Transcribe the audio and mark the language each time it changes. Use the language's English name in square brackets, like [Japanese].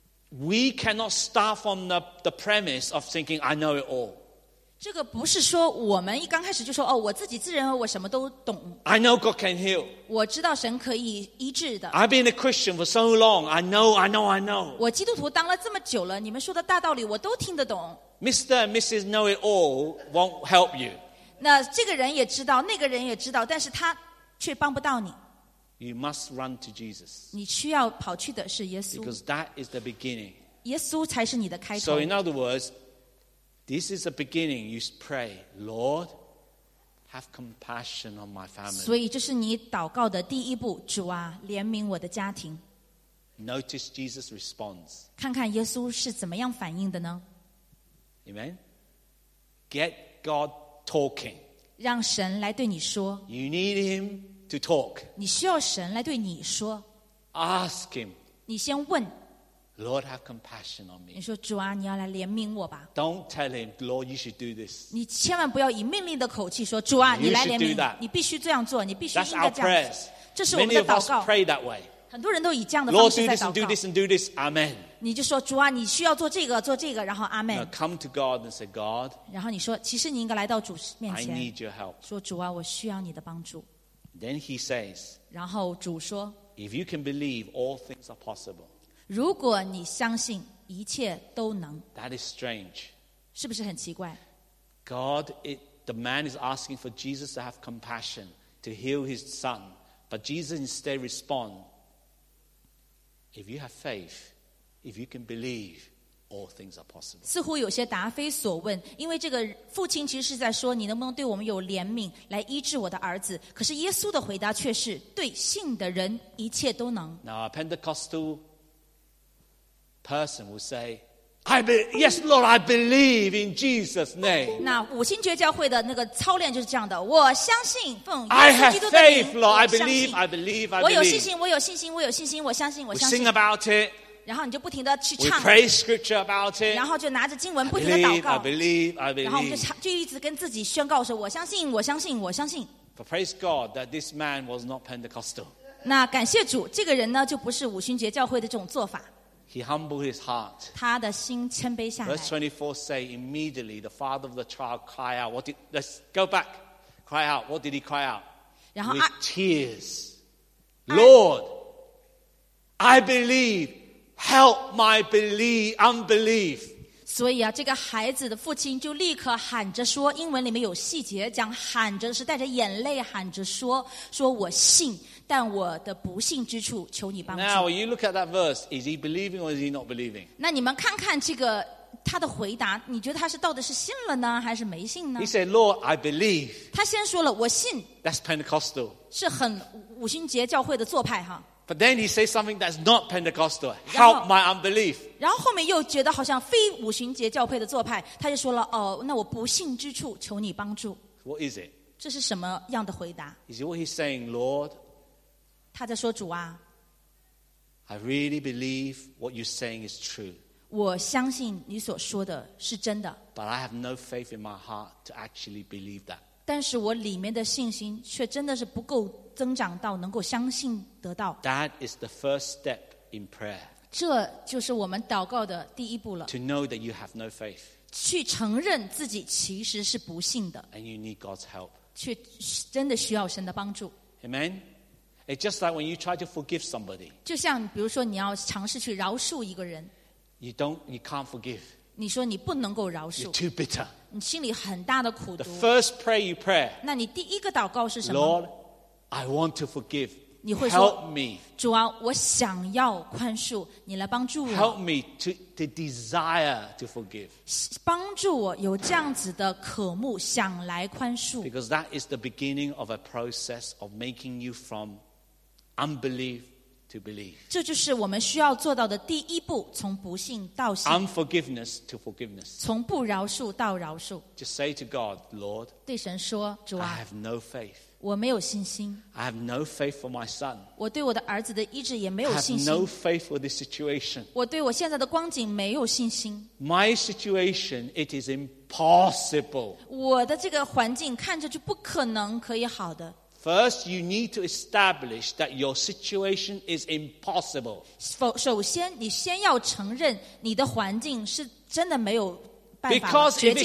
[English] We cannot start from the premise of thinking I know it all. [Chinese] 这个不是说我们一刚开始就说哦，我自己自认为我什么都懂。 [English] I know God can heal. [Chinese] 我知道神可以医治的。 [English] I've been a Christian for so long. I know. [Chinese] 我基督徒当了这么久了，你们说的大道理我都听得懂。 [English] Mr. and Mrs. Know It All won't help you. [Chinese] 那这个人也知道，那个人也知道，但是他却帮不到你。 [English] You must run to Jesus. [Chinese] 你需要跑去的是耶稣。 [English] Because that is the beginning. [Chinese] 耶稣才是你的开头。 [English] So in other words, this is the beginning. You pray, Lord, have compassion on my family. [Chinese] 所以这是你祷告的第一步，主啊，怜悯我的家庭。 [English] Notice Jesus' response. [Chinese] 看看耶稣是怎么样反应的呢？ [English] Amen. Get God talking. [Chinese] 让神来对你说。 [English] You need Him. To talk. [Chinese] 你需要神来对你说。 [English] Ask him. [Chinese] 你先问。 [English] Lord, have compassion on me. [Chinese] 你说主啊，你要来怜悯我吧。 [English] Don't tell him, Lord, you should do this. [Chinese] 你千万不要以命令的口气说，主啊，你来怜悯。你必须这样做，你必须应该这样做。 [English] That's our prayers. [Chinese] 这是我们的祷告。 [English] Many of us pray that way. [Chinese] 很多人都以这样的方式在祷告。 [English] Lord, do this and do this and do this. Amen. [Chinese] 你就说主啊，你需要做这个，做这个，然后阿门。 [English] Now come to God and say, God. [Chinese] 然后你说，其实你应该来到主面前。 [English] I need your help. [Chinese] 说主啊，我需要你的帮助。 [English] Then he says, [Chinese] 然后主说 [English] If you can believe, all things are possible. [Chinese] 如果你相信一切都能 [English] That is strange. [Chinese] 是不是很奇怪 [English] God, the man is asking for Jesus to have compassion, to heal his son. But Jesus instead responds, If you have faith, if you can believe,All things are possible. [Chinese] 似乎有些答非所问，因为这个父亲其实是在说，你能不能对我们有怜悯，来医治我的儿子？可是耶稣的回答却是，对信的人一切都能。 [English] Now a Pentecostal person will say, Yes, Lord, I believe in Jesus' name. [Chinese] 那五旬节教会的那个操练就是这样的，我相信奉耶稣基督的名。 [English] I have faith, Lord. I believe. [Chinese] 我有信心，我有信心，我有信心，我相信，我相信。 [English] We sing about it. [Chinese] 然后你就不停地去唱 [English] We pray scripture about it. [Chinese] 然后就拿着经文不停地祷告 [English] I believe. [Chinese] 然后就一直跟自己宣告说我相信我相信我相信 [English] But praise God that this man was not Pentecostal [Chinese] 那感谢主这个人呢就不是五旬节教会的这种做法 [English] He humbled his heart [Chinese] 他的心谦卑下来 [English] Verse 24 say immediately the father of the child cried out let's go back cry out what did he cry out [Chinese] 然后 [English] With tears Lord I believeHelp my unbelief. [Chinese] 所以啊，这个孩子的父亲就立刻喊着说，英文里面有细节讲，喊着是带着眼泪喊着说，说我信，但我的不信之处，求你帮助。 [English] Now you look at that verse. Is he believing or is he not believing? [Chinese] 那你们看看这个他的回答，你觉得他是到底是信了呢，还是没信呢 [English] ？He said, "Lord, I believe." [Chinese] 他先说了我信。 [English] That's Pentecostal. [Chinese] 是很五旬节教会的做派哈。 [English] But then he says something that's not Pentecostal. Help my unbelief. [Chinese] 然后后面又觉得好像非五旬节教会的做派，他就说了：“哦，那我不信之处，求你帮助。” [English] What is it? [Chinese] 这是什么样的回答？ [English] Is it what he's saying, Lord? [Chinese] 他在说主啊。 [English] I really believe what you're saying is true. [Chinese] 我相信你所说的是真的。 [English] But I have no faith in my heart to actually believe that. [Chinese] 但是我里面的信心却真的是不够增长到能够相信得到。 [English] That is the first step in prayer. [Chinese] 这就是我们祷告的第一步了。 [English] To know that you have no faith. [Chinese] 去承认自己其实是不信的。 [English] And you need God's help. [Chinese] 去真的需要神的帮助。 [English] Amen? It's just like when you try to forgive somebody. [Chinese] 就像比如说你要尝试去饶恕一个人。 [English] You can't forgive. [Chinese] 你说你不能够饶恕。 [English] You're too bitter. [Chinese] 你心里很大的苦毒。 [English] The first prayer you pray. [Chinese] 那你第一个祷告是什么 [English] ？Lord, I want to forgive. [Chinese] 你会说 [English] ，Help me. [Chinese] 主啊，我想要宽恕，你来帮助我。 [English] Help me to desire to forgive. [Chinese] 帮助我有这样子的渴慕，想来宽恕。 [English] Because that is the beginning of a process of making you from. Unbelief to believe. [Chinese] 这就是我们需要做到的第一步，从不信到信。 [English] Unforgiveness to forgiveness. [Chinese] 从不饶恕到饶恕。 [English] Just say to God, Lord. [Chinese] 对神说，主啊。 [English] I have no faith. [Chinese] 我没有信心。 [English] I have no faith for my son. [Chinese] 我对我的儿子的医治也没有信心。 [English] I have no faith for this situation. [Chinese] 我对我现在的光景没有信心。 [English] My situation, it is impossible. [Chinese] 我的这个环境看着就不可能可以好的。 [English] First, you need to establish that your situation is impossible. [Chinese] 首先，你先要承认你的环境是真的没有办法绝境。